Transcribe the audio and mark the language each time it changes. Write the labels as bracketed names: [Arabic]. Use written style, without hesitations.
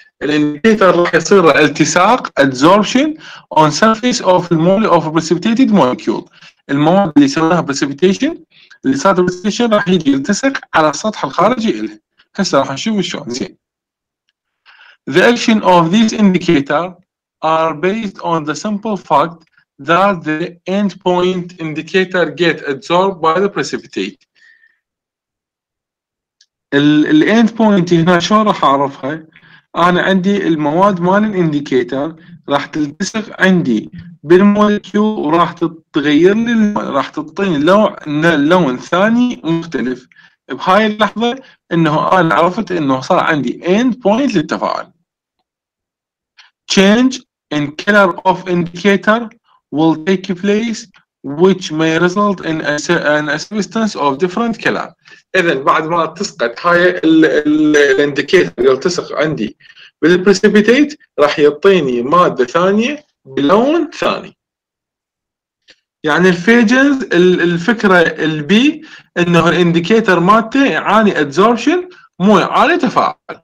[Arabic] الانديكيتر راح يصير التصاق [English] adsorption on surface of the molecule of precipitated molecule. [Arabic] المواد اللي سويناها precipitation، اللي صارت precipitation راح يجي يلتصق على السطح الخارجي له. هسه راح نشوف شلون. [English] زين، the action of these indicators are based on the simple fact that the endpoint indicator get adsorbed by the precipitate. [Arabic] ال endpoint هنا شلون راح اعرفها؟ انا عندي المواد مال الانديكيتر راح تلتصق عندي بالمولكيو، وراح تتغير لي، راح تعطيني لون ثاني مختلف. بهاي اللحظه انه انا عرفت انه صار عندي اند بوينت للتفاعل. [English] change in color of indicator will take place which may result in a substance of different color. [Arabic] اذا بعد ما تسقط هاي الانديكيتر يلتصق عندي بالبريسيبيتيت، راح يعطيني ماده ثانيه بلون ثاني. يعني الفيجنز الفكره البي انه الانديكيتر مالته يعاني ادزوربشن مو يعاني تفاعل.